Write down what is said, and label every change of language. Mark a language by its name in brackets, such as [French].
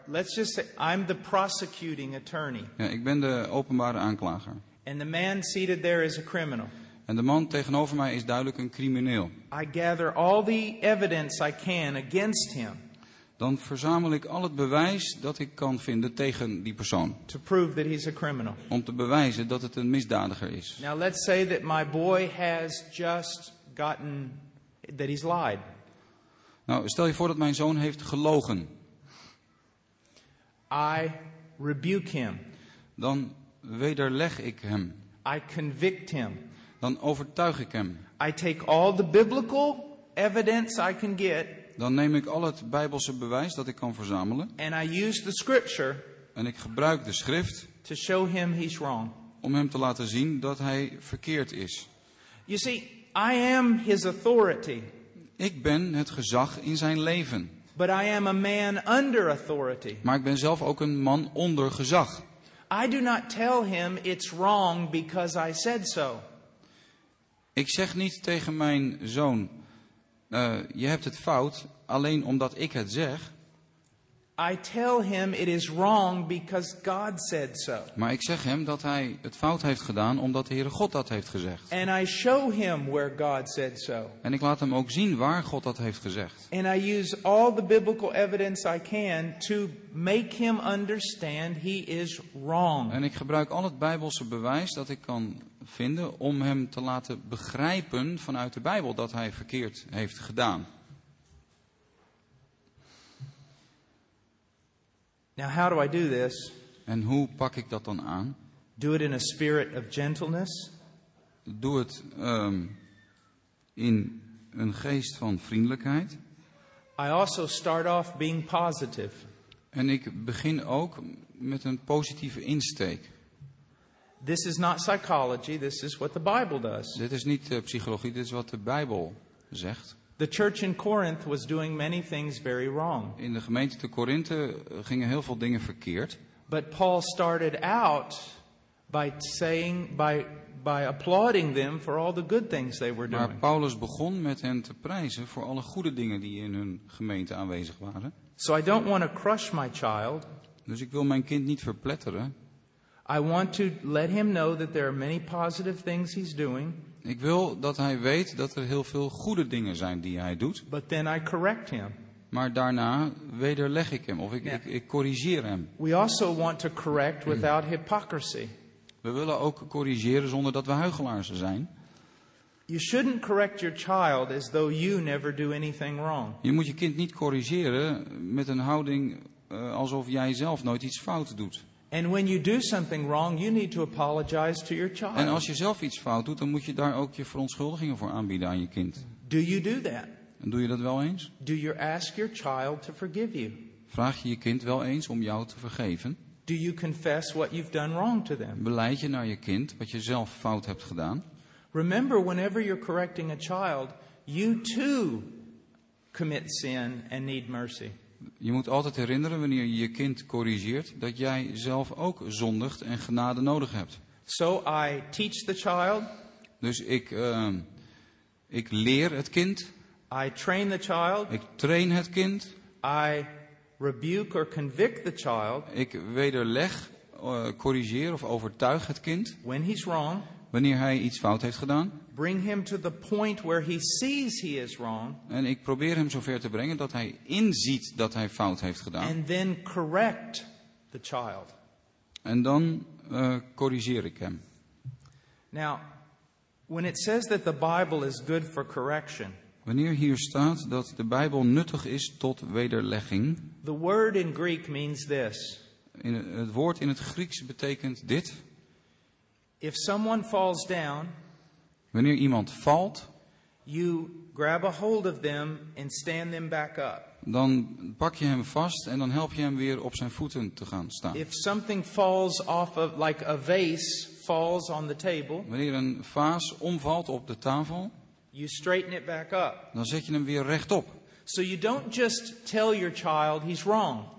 [English] Let's just say I'm the prosecuting attorney. [Dutch] Ja, ik ben de openbare aanklager. [English] And the man seated there is a criminal. [Dutch] En de man tegenover mij is duidelijk een crimineel. [English] I gather all the evidence I can against him. [Dutch] Dan verzamel ik al het bewijs dat ik kan vinden tegen die persoon. [English] To prove that he's a criminal. [Dutch] Om te bewijzen dat het een misdadiger is. [English] Now let's say that my boy has just gotten that he's lied. [Dutch] Nou, stel je voor dat mijn zoon heeft gelogen. [English] I rebuke him. [Dutch] Dan wederleg ik hem. [English] I convict him. [Dutch] Dan overtuig ik hem. [English] I take all the biblical evidence I can get. [Dutch] Dan neem ik al het Bijbelse bewijs dat ik kan verzamelen. [English] And I use the scripture. [Dutch] En ik gebruik de schrift. [English] To show him he's wrong. [Dutch] Om hem te laten zien dat hij verkeerd is. [English] You see, I am his authority. [Dutch] Ik ben het gezag in zijn leven. [English] But I am a man under authority. [Dutch] Maar ik ben zelf ook een man onder gezag. [English] I do not tell him it's wrong because I said so. [Dutch] Ik zeg niet tegen mijn zoon, je hebt het fout alleen omdat ik het zeg. [English] I tell him it is wrong because God said so. [Dutch] Maar ik zeg hem dat hij het fout heeft gedaan omdat de Heere God dat heeft gezegd. [English] And I show him where God said so. [Dutch] En ik laat hem ook zien waar God dat heeft gezegd. [English] And I use all the biblical evidence I can to make him understand he is wrong. [Dutch] En ik gebruik al het Bijbelse bewijs dat ik kan vinden om hem te laten begrijpen vanuit de Bijbel dat hij verkeerd heeft gedaan. [English] Now how do I do this? [Dutch] En hoe pak ik dat dan aan? [English] Do it in a spirit of gentleness. [Dutch] Doe het in een geest van vriendelijkheid. [English] I also start off being positive. [Dutch] En ik begin ook met een positieve insteek. [English] This is not psychology, this is what the Bible does. [Dutch] Dit is niet psychologie, dit is wat de Bijbel zegt. [English] The church in Corinth was doing many things very wrong. [Dutch] In de gemeente te Korinthe gingen heel veel dingen verkeerd. [English] But Paul started out by saying by applauding them for all the good things they were doing. [Dutch] Maar Paulus begon met hen te prijzen voor alle goede dingen die in hun gemeente aanwezig waren. [English] So I don't want to crush my child. [Dutch] Dus ik wil mijn kind niet verpletteren. [English] I want to let him know that there are many positive things he's doing. [Dutch] Ik wil dat hij weet dat er heel veel goede dingen zijn die hij doet. [English] But then I correct him. [Dutch] Maar daarna wederleg ik hem of ik corrigeer hem. [English] We also want to correct without hypocrisy. [Dutch] We willen ook corrigeren zonder dat we huichelaars zijn. [English] You shouldn't correct your child as though you never do anything wrong. [Dutch] Je moet je kind niet corrigeren met een houding alsof jij zelf nooit iets fout doet. [English] And when you do something wrong, you need to apologize to your child. [Dutch] En als je zelf iets fout doet, dan moet je daar ook je verontschuldigingen voor aanbieden aan je kind. [English] Do you do that? [Dutch] En doe je dat wel eens? [English] Do you ask your child to forgive you? [Dutch] Vraag je je kind wel eens om jou te vergeven? [English] Do you confess what you've done wrong to them? [Dutch] Beleid je naar je kind wat je zelf fout hebt gedaan? [English] Remember, whenever you're correcting a child, you too commit sin and need mercy. [Dutch] Je moet altijd herinneren wanneer je je kind corrigeert dat jij zelf ook zondigt en genade nodig hebt. [English] So I teach the child. [Dutch] Dus ik leer het kind. [English] I train the child. [Dutch] Ik train het kind. [English] I rebuke or convict the child. [Dutch] Ik wederleg, corrigeer of overtuig het kind. [English] When he's wrong. [Dutch] Wanneer hij iets fout heeft gedaan. [English] Bring him to the point where he sees he is wrong. [Dutch] En ik probeer hem zover te brengen dat hij inziet dat hij fout heeft gedaan. [English] And then correct the child. [Dutch] En dan corrigeer ik hem. [English] Now, when it says that the Bible is good for correction. [Dutch] Wanneer hier staat dat de Bijbel nuttig is tot wederlegging. [English] The word in Greek means this. [Dutch] Het woord in het Grieks betekent dit. [English] If someone falls down. [Dutch] Wanneer iemand valt, [English] you grab a hold of them and stand them back up. [Dutch] Dan pak je hem vast en dan help je hem weer op zijn voeten te gaan staan. [English] If something falls off of, like a vase falls on the table, [Dutch] wanneer een vaas omvalt op de tafel, [English] you straighten it back up. [Dutch] Dan zet je hem weer rechtop. [English] So you don't just tell your child he's wrong.